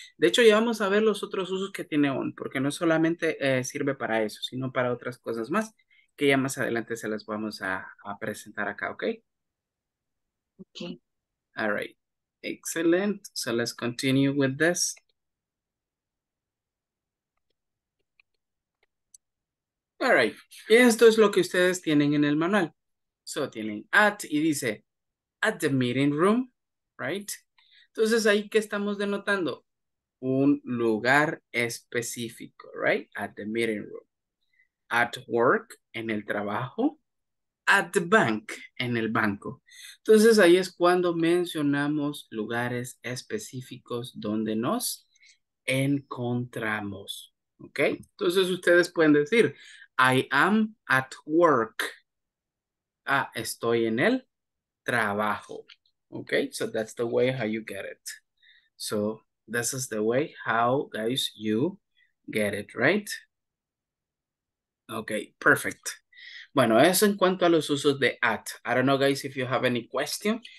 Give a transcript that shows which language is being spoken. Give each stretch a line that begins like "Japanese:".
Spanish: De hecho, ya vamos a ver los otros usos que tiene on, porque no solamente sirve para eso, sino para otras cosas más, que ya más adelante se las vamos a presentar acá, ¿ok?
English: Ok. All right. Excellent. So let's continue with this. All right.
Spanish: Y esto es lo que ustedes tienen en el manual. So tienen at y dice
English: at the meeting room, right?
Spanish: Entonces ahí que estamos denotando un lugar específico, right?
English: At the meeting room. At work,
Spanish: en el trabajo.
English: At the bank,
Spanish: en el banco. Entonces ahí es cuando mencionamos lugares específicos donde nos encontramos, ¿ok? Entonces ustedes pueden decir
English: I am at work.
Spanish: Ah, estoy en el trabajo.
English: Okay, so that's the way how you get it. So this is the way how guys you get it, right? Okay, perfect.
Spanish: Bueno, eso en cuanto a los usos de at.
English: I don't know, guys, if you have any question.